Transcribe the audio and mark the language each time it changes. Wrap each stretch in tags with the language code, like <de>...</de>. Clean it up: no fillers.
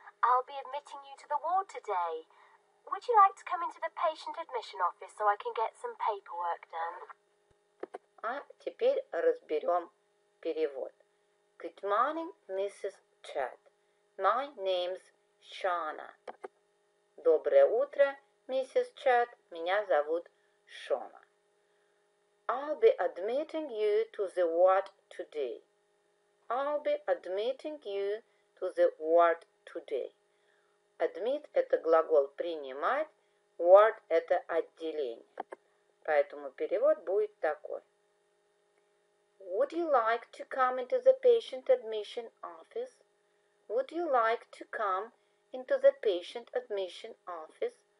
<en>I'll be admitting you to the ward today. Would you like to come into the patient admission office so I can get some paperwork done?</en> <ru>А теперь разберем перевод.</ru> <en>Good morning, Mrs. Chad. My name's Shona.</en> <ru>Доброе утро, Mrs. Chad. Меня зовут Шона.</ru> <en>I'll be admitting you to the ward today. I'll be admitting you to the ward today.</en> <ru>Admit – это глагол «принимать», ward – это отделение. Поэтому перевод будет такой.</ru> <en>Would you like to come into the patient admission office? Would you like to come into the patient admission office?</en>